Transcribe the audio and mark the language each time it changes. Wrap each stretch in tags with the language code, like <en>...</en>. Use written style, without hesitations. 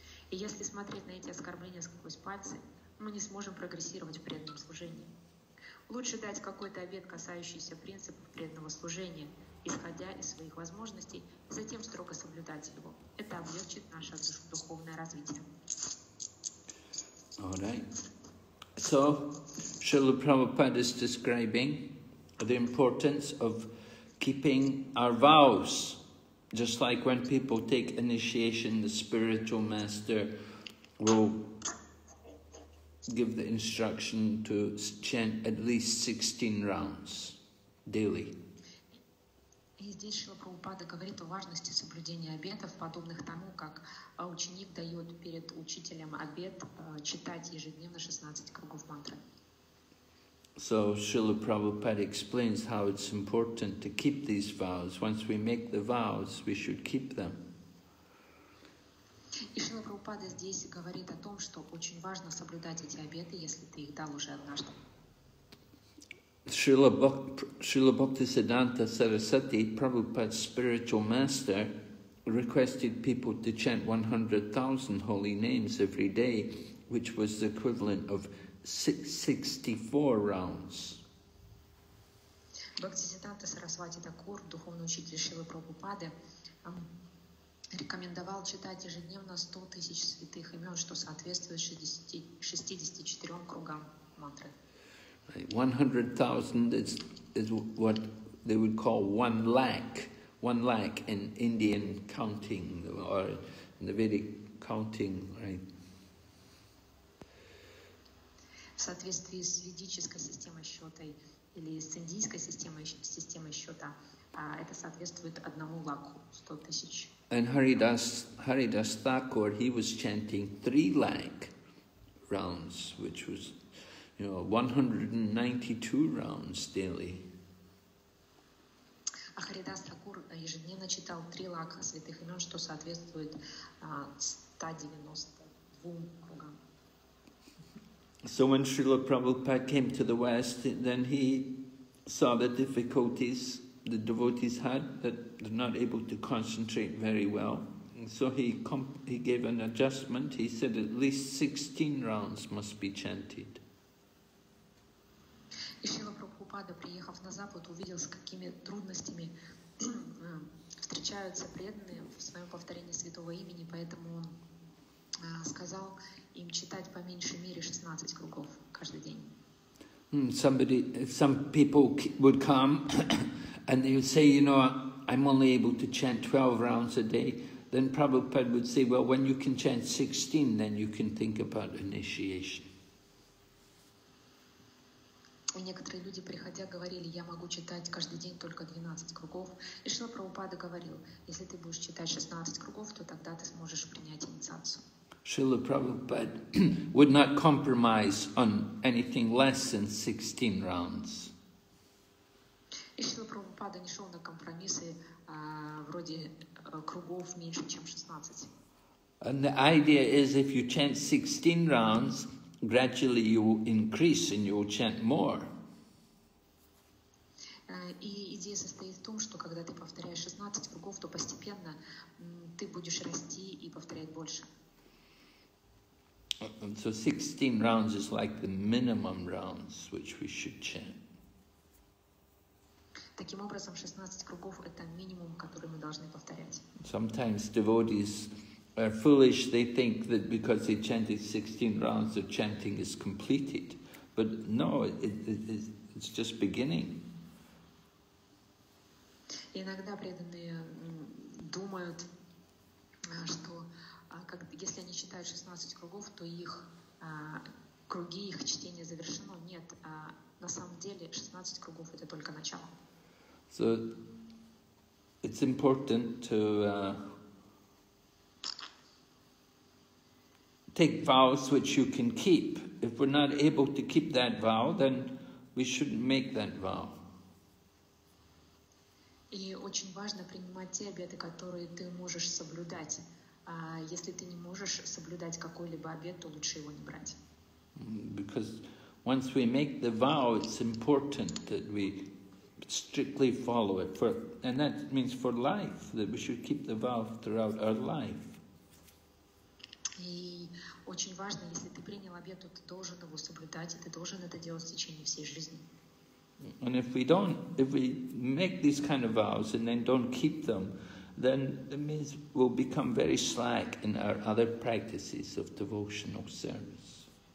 <ru>И если смотреть на эти оскорбления сквозь пальцы, мы не сможем прогрессировать в преданном служении. Лучше дать какой-то обет, касающийся принципов преданного служения, исходя из своих возможностей, и затем строго соблюдать его. Это облегчит наше духовное развитие.</ru> <en>All right. So, Srila Prabhupada is describing the importance of keeping our vows, just like when people take initiation, the spiritual master will give the instruction to chant at least 16 rounds daily.</en> <ru>И здесь Шрила Прабхупада говорит о важности соблюдения обетов, подобных тому, как ученик дает перед учителем обет читать ежедневно 16 кругов мантры.</ru> <en>So Srila Prabhupada explains how it's important to keep these vows. Once we make the vows, we should keep them.</en> <ru>И Шрила Прабхупада здесь говорит о том, что очень важно соблюдать эти обеты, если ты их дал уже однажды.</ru> <en>Srila Bhaktisiddhanta Sarasvati, Prabhupada's spiritual master, requested people to chant 100,000 holy names every day, which was the equivalent of 64 rounds.</en> <ru>Бхактисиддханта Сарасвати Такур, духовный учитель Шрилы Прабхупады, рекомендовал читать ежедневно 100 тысяч святых имен, что соответствует 64 кругам мантры.</ru> <en>100,000 is what they would call 1 lakh. 1 lakh in Indian counting or in the Vedic counting, right?</en> <ru>В соответствии с ведической системой счета или с индийской системой счета, это соответствует 1 lakh, 100 тысяч.</ru> <en>And Haridas Thakur, he was chanting 3 lakh rounds, which was, you know, 192 rounds daily.</en> <ru>А Харидас Такур ежедневно читал 3 лакха святых имен, что соответствует 192 кругам.</ru> <en>So when Srila Prabhupada came to the West, then he saw the difficulties the devotees had, that they're not able to concentrate very well. And so he gave an adjustment. He said at least 16 rounds must be chanted.</en> <ru>И Шрила Прабхупада, приехав на Запад, увидел, с какими трудностями встречаются преданные в своем повторении святого имени, поэтому он сказал им читать по меньшей мере 16 кругов каждый день.</ru> <en>Some people would come and they would say, you know, I'm only able to chant 12 rounds a day. Then Prabhupada would say, well, when you can chant 16, then you can think about initiation.</en> <ru>И некоторые люди, приходя, говорили, я могу читать каждый день только 12 кругов. И Шрила Прабхупада говорил, если ты будешь читать 16 кругов, то тогда ты сможешь принять инициацию.</ru> <en>Шрила Прабхупада would not compromise on anything less than 16 rounds.</en> <ru>И Шрила Прабхупада не шел на компромиссы вроде кругов меньше, чем 16.</ru> <en>And the idea is, if you chant 16 rounds, gradually you increase and you will chant more.</en> <ru>И идея состоит в том, что когда ты повторяешь 16 кругов, то постепенно ты будешь расти и повторять больше.</ru> <en>And so 16 rounds is like the minimum rounds which we should chant.</en> <ru>Таким образом, 16 кругов — это минимум, который мы должны повторять.</ru> <en>Sometimes devotees are foolish. They think that because they chanted 16 rounds, the chanting is completed. But no, it's just beginning.</en> <ru>Иногда преданные думают, что если они читают 16 кругов, то их круги, их чтение завершено. Нет, на самом деле 16 кругов — это только начало.</ru> <en>So it's important to take vows which you can keep. If we're not able to keep that vow, then we shouldn't make that vow.</en> <ru>И очень важно принимать те обеты, которые ты можешь соблюдать. А если ты не можешь соблюдать какой-либо обет, то лучше его не брать.</ru> <en>Because once we make the vow, it's important that we strictly follow it, for, and that means for life, that we should keep the vow throughout our life.</en> <ru>И очень важно, если ты принял обет, то ты должен его соблюдать, и ты должен это делать в течение всей жизни.</ru> <en>And if we don't, if we make these kind of vows and then don't keep them, then it means we'll become very slack in our other practices of devotional service.</en>